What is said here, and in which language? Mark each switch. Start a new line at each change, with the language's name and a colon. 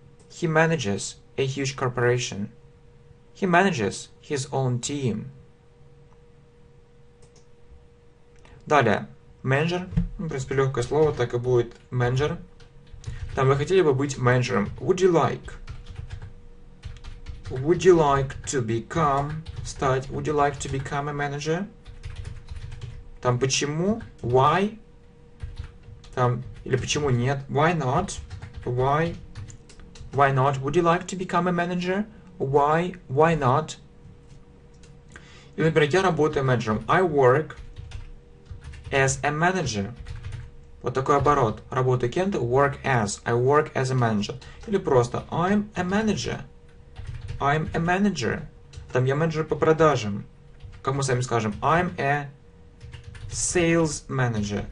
English: He manages a huge corporation. He manages his own team.
Russian: Далее. Менеджер. В принципе, легкое слово, так и будет менеджер. Там вы хотели бы быть менеджером.
English: Would you like to become,
Russian: стать,
English: would you like to become a manager?
Russian: Там почему?
English: Why?
Russian: Там, или почему нет?
English: Why not? Why not? Would you like to become a manager? Why not?
Russian: И, например, я работаю менеджером.
English: I work as a manager.
Russian: Вот такой оборот. Работаю кем-то.
English: Work as. I work as a manager.
Russian: Или просто
English: I'm a manager. I'm a manager.
Russian: Там я менеджер по продажам. Как мы с вами скажем,
English: I'm a sales manager.